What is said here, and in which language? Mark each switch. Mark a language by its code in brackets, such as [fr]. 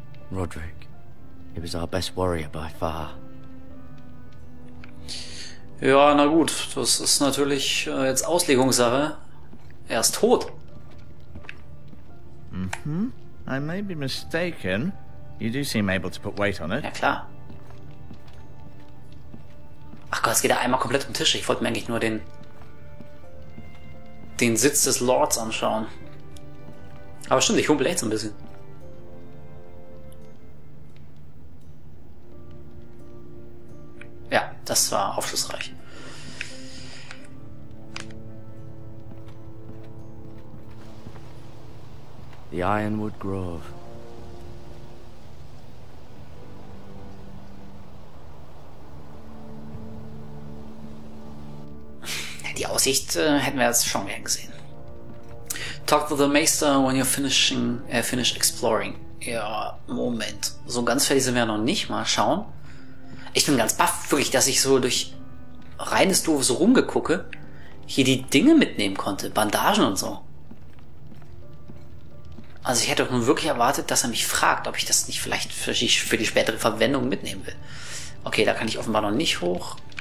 [en] Roderick, he was our best warrior by far. [de] Ja, na gut, das ist natürlich jetzt Auslegungssache. Er ist tot. [en] Mm-hmm. I may be mistaken. You do seem able to put weight on it. [de] Ja, klar. Ach Gott, es geht ja einmal komplett um den Tisch. Ich wollte mir eigentlich nur den Sitz des Lords anschauen. Aber stimmt, ich humpel echt so ein bisschen. Das war aufschlussreich. [en] The Ironwood Grove. [de] Die Aussicht hätten wir jetzt schon gern gesehen. [en] Talk to the Maester when you're finished exploring. [de] Ja, Moment. So ganz fertig sind wir noch nicht. Mal schauen. Ich bin ganz baff, wirklich, dass ich so durch reines Doofes so rumgegucke, hier die Dinge mitnehmen konnte, Bandagen und so. Also ich hätte doch nun wirklich erwartet, dass er mich fragt, ob ich das nicht vielleicht für die spätere Verwendung mitnehmen will. Okay, da kann ich offenbar noch nicht hoch.